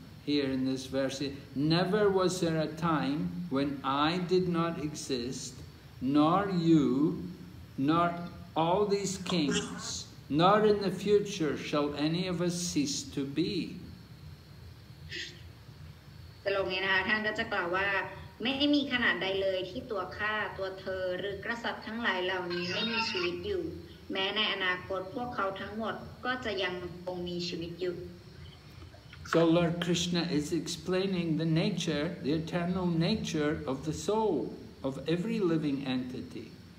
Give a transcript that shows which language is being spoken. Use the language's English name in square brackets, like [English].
[English] Here in this verse, never was there a time when I did not exist, nor you, nor all these kings, nor in the future shall any of us cease to be. [Thai] ตรงนี้นะคะท่านก็จะกล่าวว่าไม่มีขนาดใดเลยที่ตัวข้าตัวเธอหรือกษัตริย์ทั้งหลายเหล่านี้ไม่มีชีวิตอยู่แม้ในอนาคตพวกเขาทั้งหมดก็จะยังคงมีชีวิตอยู่ [English] So Lord Krishna is explaining the nature, the eternal nature of the soul, of every living entity.